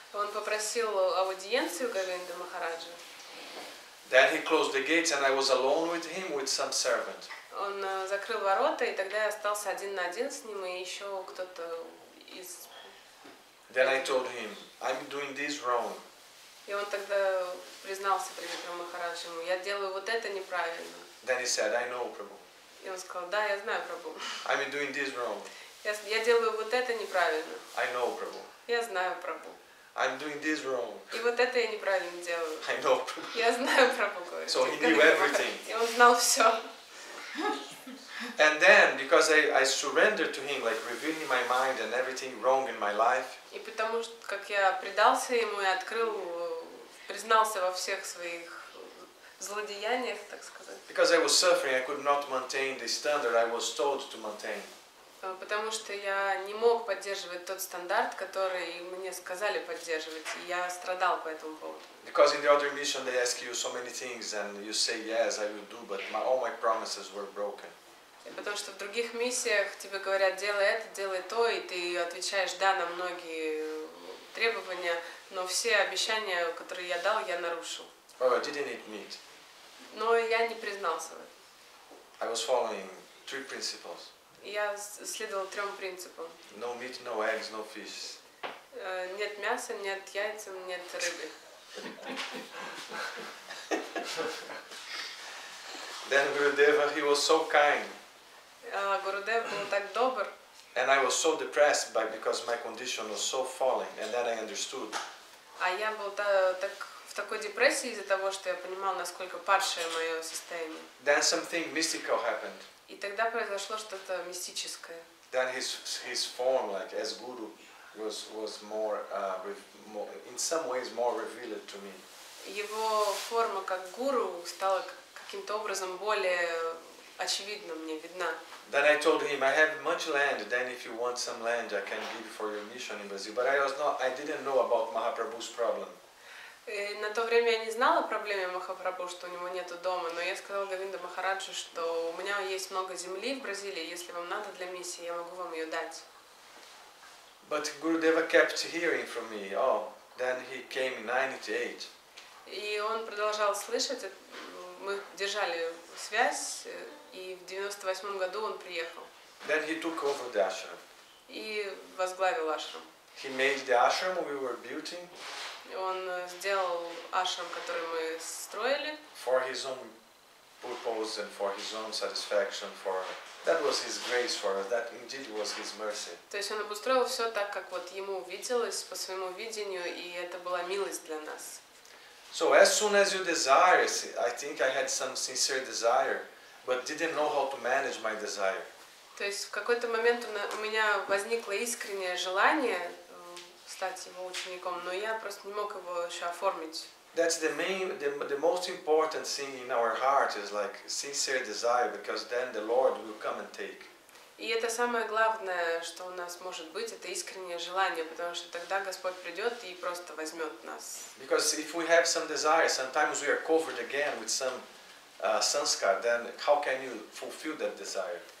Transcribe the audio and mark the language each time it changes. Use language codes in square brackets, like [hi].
[ru] Он попросил аудиенцию Говинда Махараджа. [en] Then he closed the gates and I was alone with him with some servant. [ru] Он закрыл ворота, и тогда я остался один на один с ним, и еще кто-то из... [en] Then I told him, I'm doing this wrong. [ru] И он тогда признался Тривикрам Махараджу, я делаю вот это неправильно. [en] Then he said, I know Prabhu. [ru] И он сказал, да, я знаю Прабху. [en] I'm doing this wrong. [ru] Я делаю вот это неправильно. [en] I know Prabhu. [ru] Я знаю Прабху. [en] I'm doing this wrong. [ru] И вот это я неправильно делаю. [en] I know Prabhu. [ru] Я знаю Прабху, говорит. [en] So he knew everything. [ru] И он знал все. [en] And then, because I surrendered to him, like revealing my mind and everything wrong in my life. [ru] И потому что как я предался ему и открыл, признался во всех своих злодеяниях, так сказать. [en] Because I was suffering, I could not maintain the standard I was told to maintain. [ru] Потому что я не мог поддерживать тот стандарт, который мне сказали поддерживать, и я страдал по этому поводу. [en] Because in the other mission they ask you so many things and you say yes, I will do, but all my promises were broken. [ru] Потому что в других миссиях тебе говорят делай это, делай то, и ты отвечаешь да на многие требования, но все обещания, которые я дал, я нарушил. [en] Well, I didn't admit. [ru] Но я не признался в этом. [en] I was following three principles. [ru] Я следовал трем принципам. [en] No meat, no eggs, no fish. [ru] Нет мяса, нет яиц, нет рыбы. [en] Then Gurudeva, he was so kind. [ru] Гурудев был так добр. [en] And I was so depressed because my condition was so falling, and then I understood. [ru] А я был так в такой депрессии из-за того, что я понимал, насколько падшее мое состояние. [en] Then something mystical happened. [ru] И тогда произошло что-то мистическое. [en] Then his form, like as guru, was more in some ways more revealed to me. [ru] Его форма как гуру стала каким-то образом более очевидна мне, видна. [en] Then I told him, I have much land. Then if you want some land, I can give for your mission in Brazil. But I didn't know about Mahaprabhu's problem. [ru] И на то время я не знала о проблеме Махапрабху, что у него нету дома, но я сказала Говинда Махараджу, что у меня есть много земли в Бразилии, если вам надо для миссии, я могу вам ее дать. [en] But Gurudeva kept hearing from me. Oh, then he came in 98. [ru] И он продолжал слышать, мы держали связь, и в 98 году он приехал. [en] Then he took over the ashram. [ru] И возглавил ашрам. [en] He made the ashram we were building. [ru] Он сделал ашрам, который мы строили. [en] For his own purpose and for his own satisfaction, for that was his grace for us. That indeed was his mercy. [ru] То есть он обустроил все так, как вот ему виделось по своему видению, и это была милость для нас. [en] So as soon as you desire, I think I had some sincere desire, but didn't know how to manage my desire. [ru] То есть в какой-то момент у меня возникло искреннее желание стать его учеником, но я просто не мог его еще оформить. [en] That's the most important thing in our heart is like sincere desire, because then the Lord will come and take. [ru] И это самое главное, что у нас может быть, это искреннее желание, потому что тогда Господь придет и просто возьмет нас. [en] Because if we have some desire, sometimes we are covered again with some sanskar, then how can you fulfill that desire?